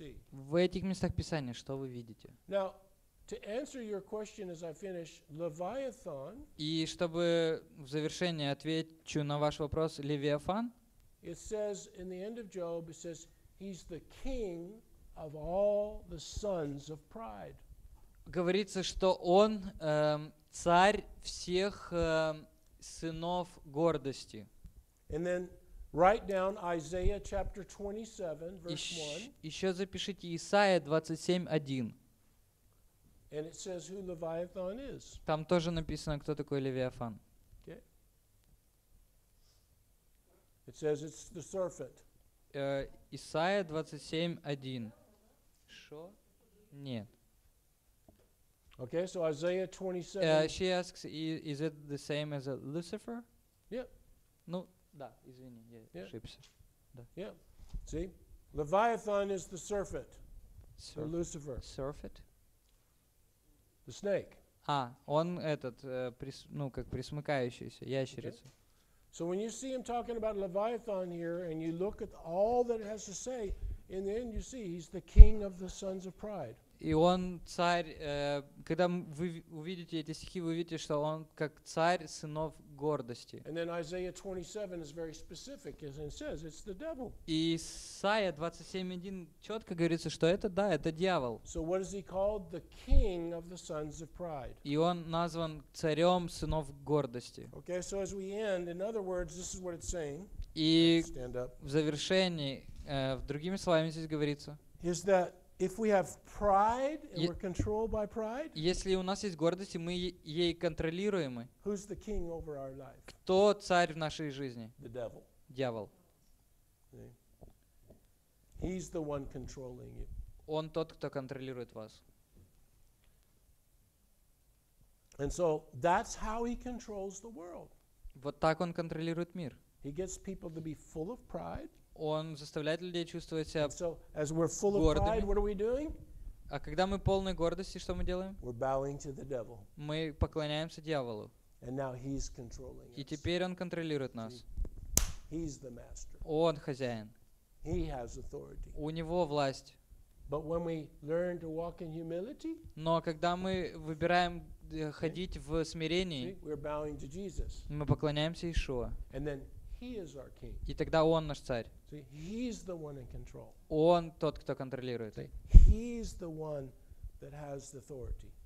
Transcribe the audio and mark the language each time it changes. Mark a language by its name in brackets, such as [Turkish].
[Russian] В этих местах Писания что вы видите? [English] Now, to answer your question as I finish, Leviathan. [Russian] И чтобы в завершение отвечу на ваш вопрос, Левиафан. [English] It says in the end of Job, it says he's the king of all the sons of pride. [Russian] Говорится, что он царь всех сынов гордости. [English] And then write down Isaiah chapter 27, verse 1. [Russian] Еще запишите Исаия 27:1. [English] And it says who Leviathan is. [Russian] Там тоже написано, кто такой Левиафан. [English] Okay. It says it's the serpent. [Russian] Исаия 27:1. Что? Нет. [English] Okay, so Isaiah 27. She asks, is it the same as a Lucifer? Yep. [Russian] Ну, да, извини, я ошибся. Да. [English] Yeah. See? Leviathan is the serpent. Or Lucifer. Serpent? The snake. [Russian] А, он этот, как присмыкающийся, ящерица. [English] Okay. So when you see him talking about Leviathan here, and you look at all that it has to say, in the end you see he's the king of the sons of pride. [Russian] И он царь, когда вы увидите эти стихи, вы увидите, что он как царь сынов гордости. [English] And then Isaiah 27 is very specific, as it says, it's the devil. [Russian] И Исаия 27:1 четко говорится, что это, да, это дьявол. [English] So what is he called? The king of the sons of pride. [Russian] И он назван царем сынов гордости. [English] Okay, so as we end, in other words, this is what it's saying. [Russian] И в завершении, в другими словами здесь говорится. [English] Is that if we have pride and we're controlled by pride, [Russian] если у нас есть гордость, и мы ей контролируемы, [English] who's the king over our life? [Russian] Кто царь в нашей жизни? [English] The devil. [Russian] Дьявол. [English] He's the one controlling you. [Russian] Он тот, кто контролирует вас. [English] And so that's how he controls the world. [Russian] Вот так он контролирует мир. [English] He gets people to be full of pride. [Russian] Он заставляет людей чувствовать себя [English] so, as we're full [Russian] гордыми. [English] Of pride, what are we doing? [Russian] А когда мы полны гордости, что мы делаем? [English] We're bowing to the devil. [Russian] Мы поклоняемся дьяволу. [English] And now he's controlling [Russian] и теперь [English] us. [Russian] Он контролирует нас. [English] He's the master. [Russian] Он хозяин. [English] He has authority. [Russian] У него власть. [English] But when we learn to walk in humility, [Russian] но когда мы выбираем ходить в смирении, [English] see, we're bowing to Jesus. [Russian] Мы поклоняемся Иешуа. [English] And then He is our king. [Russian] И тогда он наш царь. [English] See, he's the one in control. [Russian] Он тот, кто контролирует. [English] See, he's the one that has the authority.